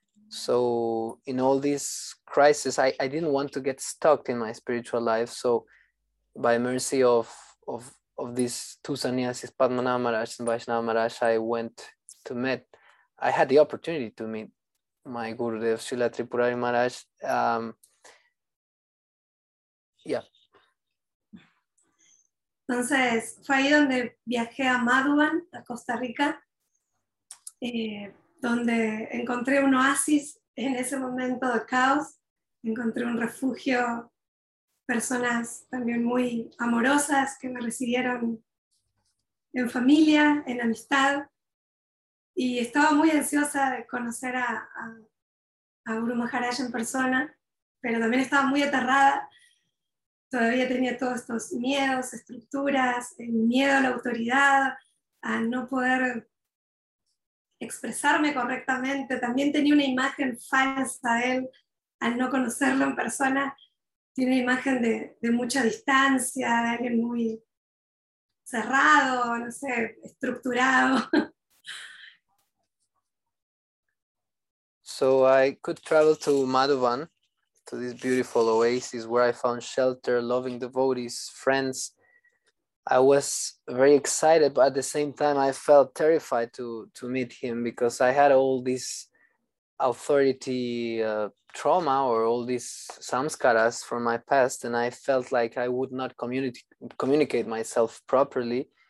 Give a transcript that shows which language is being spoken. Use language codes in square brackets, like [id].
[en] So in all these crises, I didn't want to get stuck in my spiritual life. So by mercy of these two sannyasis, Padmanabha Maharaj and Vaishnava Maharaj, I had the opportunity to meet my Gurudev, Srila Tripurari Maharaj. [es] Entonces, fue ahí donde viajé a Maduan, a Costa Rica, donde encontré un oasis en ese momento de caos. Encontré un refugio, personas también muy amorosas que me recibieron en familia, en amistad. Y estaba muy ansiosa de conocer a Guru Maharaj en persona, pero también estaba muy aterrada. Todavía tenía todos estos miedos, estructuras, el miedo a la autoridad, a no poder expresarme correctamente. También tenía una imagen falsa de él al no conocerlo en persona. Tiene una imagen de mucha distancia, de alguien muy cerrado, no sé, estructurado. [en] So I could travel to Madhuban, to this beautiful oasis where I found shelter, loving devotees, friends. I was very excited, but at the same time, I felt terrified to meet him because I had all this authority trauma or all these samskaras from my past, and I felt like I would not communicate myself properly.